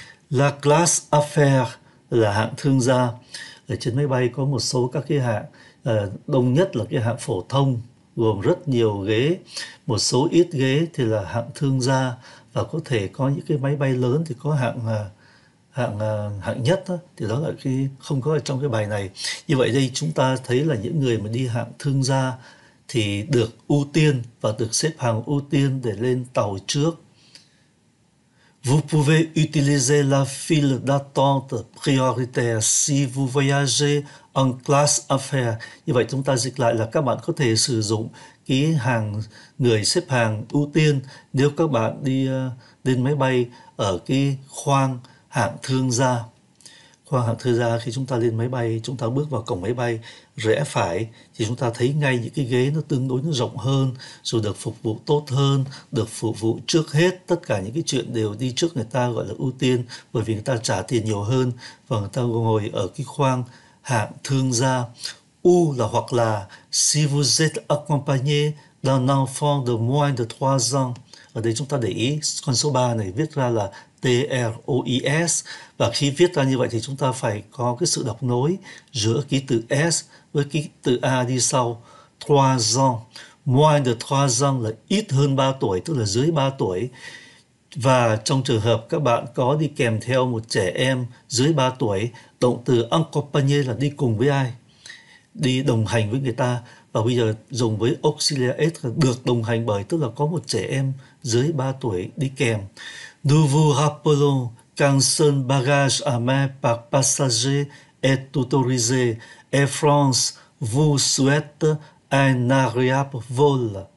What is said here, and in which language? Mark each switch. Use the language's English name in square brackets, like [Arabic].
[French] La classe affaire [Vietnamese] là hạng thương gia. Ở trên máy bay có một số các cái hạng, đông nhất là cái hạng phổ thông gồm rất nhiều ghế, một số ít ghế thì là hạng thương gia, và có thể có những cái máy bay lớn thì có hạng hạng hạng nhất đó, thì đó là cái không có ở trong cái bài này. Như vậy đây chúng ta thấy là những người mà đi hạng thương gia thì được ưu tiên và được xếp hàng ưu tiên để lên tàu trước. [French] Vous pouvez utiliser la file d'attente prioritaire si vous voyagez en classe affaire. [Vietnamese] Như vậy chúng ta dịch lại là các bạn có thể sử dụng cái hàng người xếp hàng ưu tiên nếu các bạn đi lên máy bay ở cái khoang hạng thương gia. Khoang hạng thương gia, khi chúng ta lên máy bay, chúng ta bước vào cổng máy bay rẽ phải thì chúng ta thấy ngay những cái ghế nó tương đối nó rộng hơn, rồi được phục vụ tốt hơn, được phục vụ trước hết, tất cả những cái chuyện đều đi trước, người ta gọi là ưu tiên bởi vì người ta trả tiền nhiều hơn và người ta ngồi ở cái khoang hạng thương gia. U là hoặc là [French] si vous êtes accompagné d'un enfant de moins de 3 ans. [Vietnamese] Ở đây chúng ta để ý con số 3 này viết ra là TROES, và khi viết ra như vậy thì chúng ta phải có cái sự đọc nối giữa ký tự S với ký tự A đi sau. [French] 3 ans, moins de 3 ans [Vietnamese] là ít hơn 3 tuổi, tức là dưới 3 tuổi. Và trong trường hợp các bạn có đi kèm theo một trẻ em dưới 3 tuổi, động từ accompagner là đi cùng với ai, đi đồng hành với người ta, và bây giờ dùng với auxiliaire S là được đồng hành bởi, tức là có một trẻ em dưới 3 tuổi đi kèm. [French] Nous vous rappelons qu'un seul bagage à main par passager est autorisé. Air France vous souhaite un agréable vol.